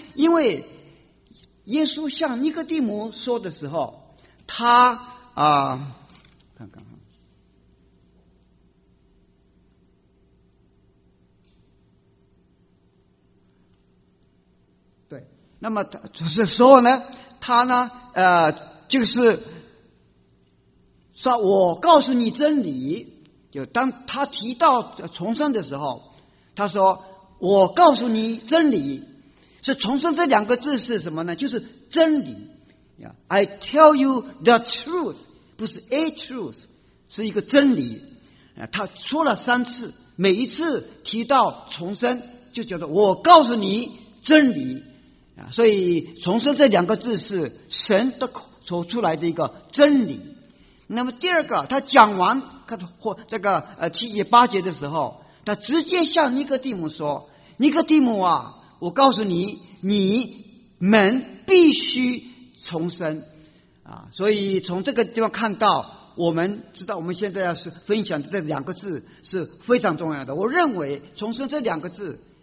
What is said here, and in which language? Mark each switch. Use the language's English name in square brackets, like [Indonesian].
[Chinese] 因为耶稣向尼哥底母说的时候，他对，那么这时候呢，他呢就是说，我告诉你真理，就当他提到重生的时候，他说我告诉你真理。是重生这两个字是什么呢？就是真理。 [English] I tell you the truth， [Chinese] 不是 [English] a truth， [Chinese] 是一个真理。他说了三次，每一次提到重生就觉得我告诉你真理所以重生这两个字是神的所出来的一个真理。那么第二个，他讲完这个七节八节的时候，他直接向尼哥底母说，尼哥底母啊，我告诉你，你们必须重生所以从这个地方看到，我们知道我们现在要分享的这两个字是非常重要的。我认为重生这两个字